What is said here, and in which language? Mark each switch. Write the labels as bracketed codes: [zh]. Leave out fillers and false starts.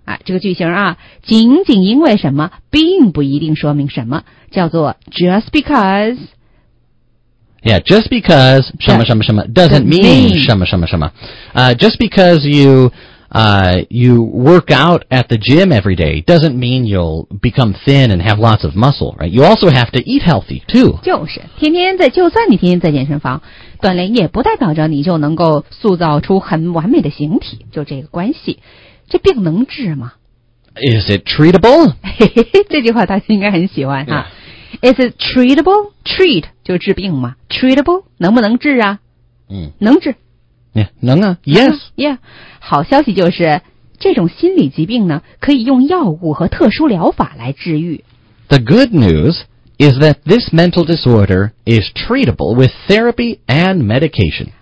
[zh] 啊，这个句型啊，仅仅因为什么，并不一定说明什么，叫做 just because. [en] Yeah, just because [zh] 什么什么什么 [en] doesn't mean 什么什么什么。Just because you, you work out at the gym every day doesn't mean you'll become thin and have lots of muscle, right? You also have to eat healthy, too. [zh] 就是，天天在，就算你天天在健身房，锻炼也不代表着你就能够塑造出很完美的形体，就这个关系。这病能治吗？ [en] Is it treatable? [zh] 这句话大家应该很喜欢、yeah. [en] Is it treatable? [zh] Treat 就是治病嘛。Treatable 能不能治啊、嗯、能治 [en] yeah, [zh] 能啊 [en] Yes、嗯、Yeah. [zh] 好消息就是这种心理疾病呢可以用药物和特殊疗法来治愈。 [en] The good news is that this mental disorder is treatable with therapy and medication.